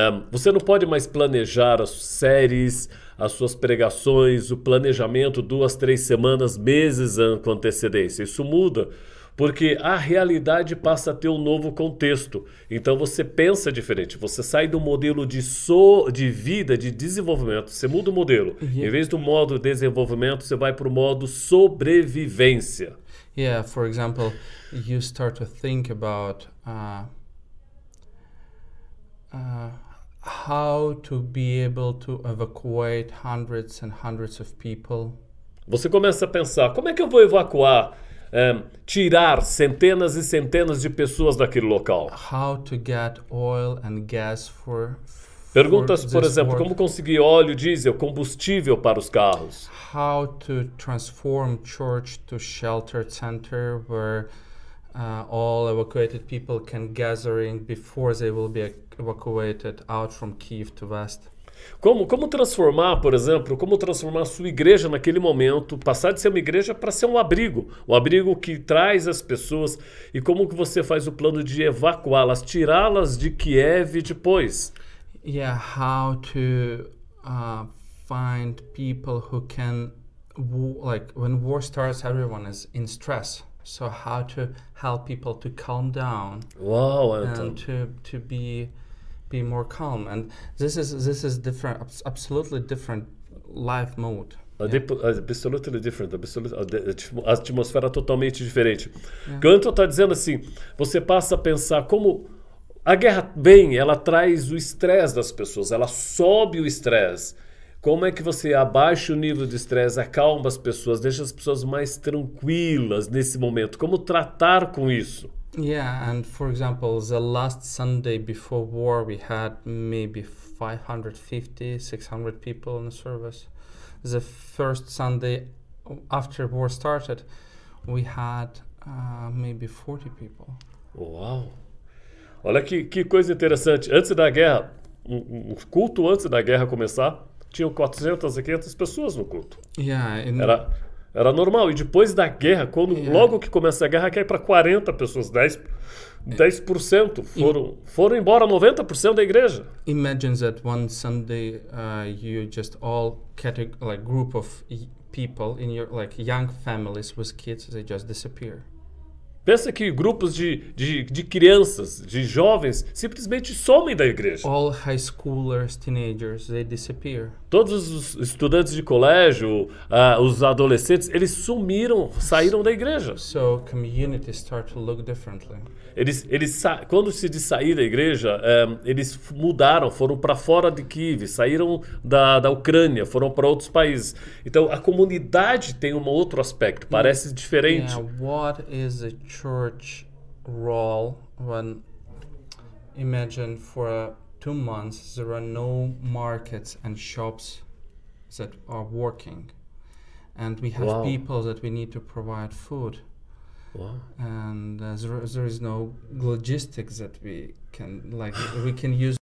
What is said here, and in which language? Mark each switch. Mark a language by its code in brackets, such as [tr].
[pt] Você não pode mais planejar as séries, as suas pregações, o planejamento 2, 3 semanas, meses com antecedência. Isso muda, porque a realidade passa a ter um novo contexto. Então você pensa diferente, você sai do modelo de vida, de desenvolvimento, você muda o modelo. Em vez do modo desenvolvimento, você vai para o modo sobrevivência. [en] Yeah, for example, you start to think about how to be able to evacuate hundreds and hundreds of people. [pt] Você começa a pensar, como é que eu vou evacuar, tirar centenas e centenas de pessoas daquele local? [en] How to get oil and gas for [pt] perguntas, por exemplo, como conseguir óleo, diesel, combustível para os carros? [en] How to transform church to shelter center where all evacuated people can gathering before they will be evacuated out from Kiev to West. [pt] Como transformar, por exemplo, como transformar a sua igreja naquele momento, passar de ser uma igreja para ser um abrigo que traz as pessoas, e como que você faz o plano de evacuá-las, tirá-las de Kiev depois? [en] Yeah, how to find people who can, like, when war starts, everyone is in stress. So how to help people to calm down and to be more calm, and this is different, absolutely different life mode. Absolutely different, [pt] atmosfera totalmente diferente. Kanto está dizendo assim, você passa a pensar como a guerra vem, ela traz o estresse das pessoas, ela sobe o estresse. Como é que você abaixa o nível de estresse, acalma as pessoas, deixa as pessoas mais tranquilas nesse momento? Como tratar com isso? [en] Yeah, and for example, the last Sunday before war, we had maybe 550, 600 people in the service. The first Sunday after war started, we had maybe 40 people. [pt] Uau! Olha que coisa interessante. Antes da guerra, um culto antes da guerra começar, tinham 400 a 500 pessoas no culto. [en] Yeah, [pt] era normal. E depois da guerra, logo que começa a guerra, cai para 40 pessoas, 10%. Foram embora 90% da igreja. [en] Imagine that one Sunday you just all like group of people in your like young families with kids, they just disappear. [pt] Pensa que grupos de crianças, de jovens, simplesmente somem da igreja. [en] All high schoolers, teenagers, they disappear. [pt] Todos os estudantes de colégio, os adolescentes, eles sumiram, saíram da igreja. [en] So community start to look differently. [pt] Quando se diz sair da igreja, eles mudaram, foram para fora de Kiev, saíram da Ucrânia, foram para outros países. Então, a comunidade tem um outro aspecto, parece diferente. [en] Yeah, what is a church role when, imagine, for 2 months, there are no markets and shops that are working. And we have people that we need to provide food. And there is no logistics that we can use.